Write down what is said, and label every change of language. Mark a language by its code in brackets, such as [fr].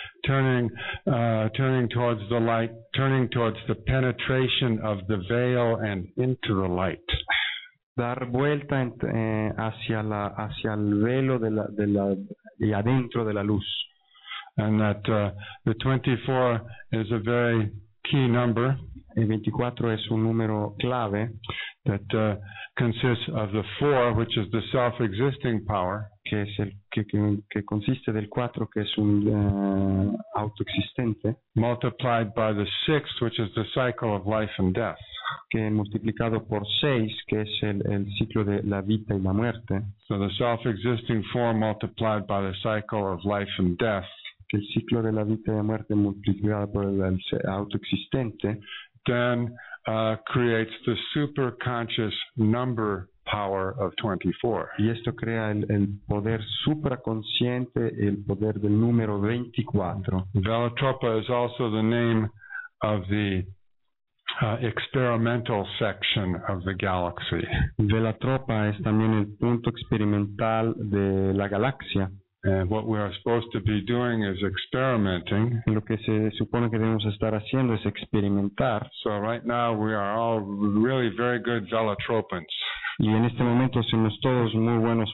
[en] Turning towards the light, turning towards the penetration of the veil and into the light. [es] Dar vuelta hacia el velo de la y adentro de la luz. [en] And that the 24 is a very key number. [es] El 24 es un número clave. [en] That consists of the four, which is the self-existing power. [es] Que es el que consiste del 4, que es un autoexistente, [en] multiplied by the 6, which is the cycle of life and death, [es] que multiplicado por 6, que es el ciclo de la vida y la muerte. [en] So the self-existing form multiplied by the cycle of life and death, [es] que el ciclo de la vida y la muerte multiplicado por el autoexistente, [en] then creates the superconscious number power of 24. [es] Y esto crea el poder supraconsciente, el poder del número 24. [en] Velotropa is also the name of the experimental section of the galaxy. [es] Velotropa es también el punto experimental de la galaxia. [en] What we are supposed to be doing is experimenting. [es] Lo que se supone que debemos estar haciendo es experimentar. [en] So right now we are all really very good velotropins. [es] Y en este momento somos todos muy buenos